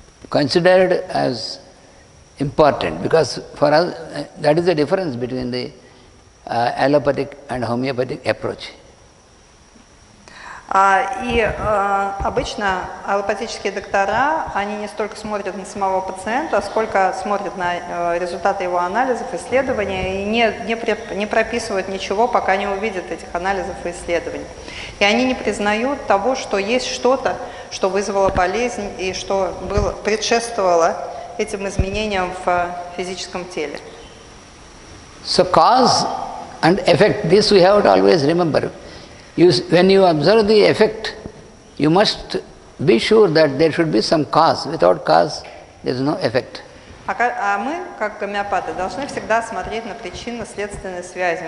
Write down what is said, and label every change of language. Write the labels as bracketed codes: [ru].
[en] considered as important, because for us that is the difference between the allopathic and homeopathic approach. [ru] Обычно аллопатические доктора, они не столько смотрят на самого пациента, сколько смотрят на результаты его анализов, исследований, и не прописывают ничего, пока не увидят этих анализов и исследований. И они не признают того, что есть что-то, что вызвало болезнь и что предшествовало этим изменениям в физическом теле. [en] So cause and effect, this we have to always remember. When you observe the effect, you must be sure that there should be some cause. Without cause, there is no effect. [ru] А мы, как гомеопаты, должны всегда смотреть на причинно-следственные связи.